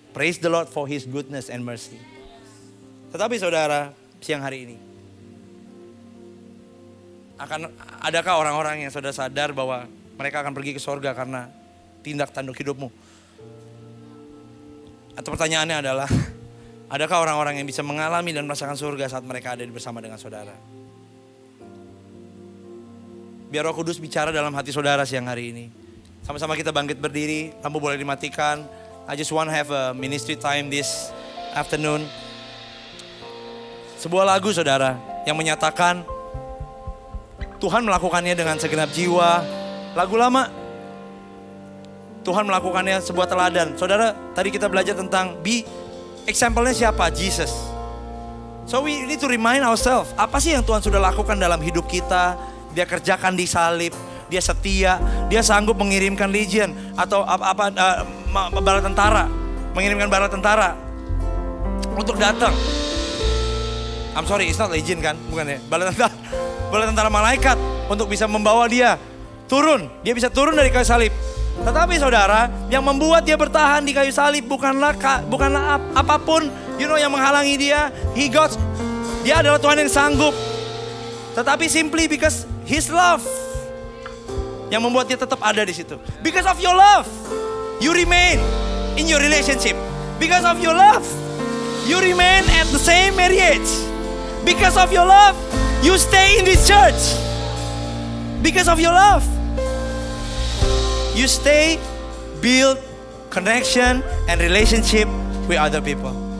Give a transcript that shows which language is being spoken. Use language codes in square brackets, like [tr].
[en] Praise the Lord for His goodness and mercy. [id] Tetapi saudara, siang hari ini, adakah orang-orang yang saudara sadar bahwa mereka akan pergi ke sorga karena tindak tanduk hidupmu? Atau pertanyaannya adalah, adakah orang-orang yang bisa mengalami dan merasakan sorga saat mereka ada bersama dengan saudara? Biar Roh Kudus bicara dalam hati saudara siang hari ini. Sama-sama kita bangkit berdiri, lampu boleh dimatikan. [en] I just want to have a ministry time this afternoon. [id] Sebuah lagu saudara yang menyatakan Tuhan melakukannya dengan segenap jiwa. Lagu lama, Tuhan melakukannya sebuah teladan. Saudara, tadi kita belajar tentang example-nya siapa? Jesus. [en] So we need to remind ourselves, [id] apa sih yang Tuhan sudah lakukan dalam hidup kita? Dia kerjakan di salib, dia setia, dia sanggup mengirimkan legion atau bala tentara, mengirimkan bala tentara untuk datang. [en] I'm sorry, it's not legion [id] kan, bukan ya, bala tentara malaikat untuk bisa membawa dia turun, dia bisa turun dari kayu salib. Tetapi saudara, yang membuat dia bertahan di kayu salib bukanlah apapun, [en] you know, [id] yang menghalangi dia. Dia adalah Tuhan yang sanggup. Tetapi [en] simply because His love [id] yang membuat dia tetap ada di situ. [en] Because of your love, you remain in your relationship. Because of your love, you remain at the same marriage. Because of your love, you stay in this church. Because of your love, you stay, build connection and relationship with other people.